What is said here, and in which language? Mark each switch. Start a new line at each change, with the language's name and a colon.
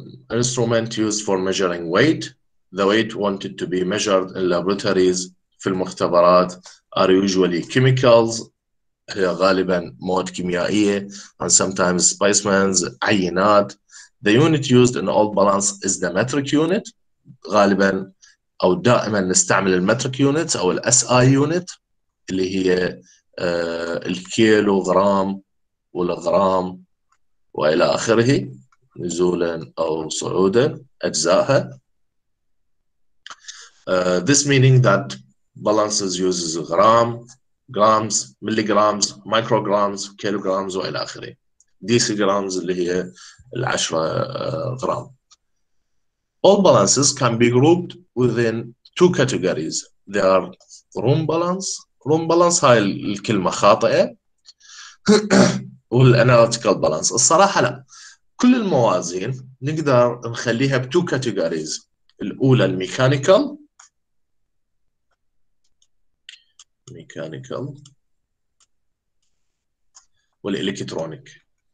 English: instrument used for measuring weight. The weight wanted to be measured in laboratories
Arabic: في المختبرات
English: are usually chemicals،
Arabic: هي غالبا مواد كيميائية،
English: and sometimes specimens، عينات. The unit used in all balance is the metric unit،
Arabic: غالبا أو دائما نستعمل المتريك يونت أو الاس اي يونت، اللي هي الكيلو غرام والغرام وإلى آخره، نزولا أو صعودا أجزاءها.
English: This meaning that balances uses grams, milligrams, micrograms, kilograms
Arabic: وإلى آخره. Decigrams اللي هي العشرة غرام.
English: All balances can be grouped within two categories. They are room balance. Room balance
Arabic: هاي الكلمة خاطئة. والاناليتيكال بالانس الصراحه لا، كل الموازين نقدر نخليها بتو كاتيجوريز، الاولى الميكانيكال، ميكانيكال والالكترونيك.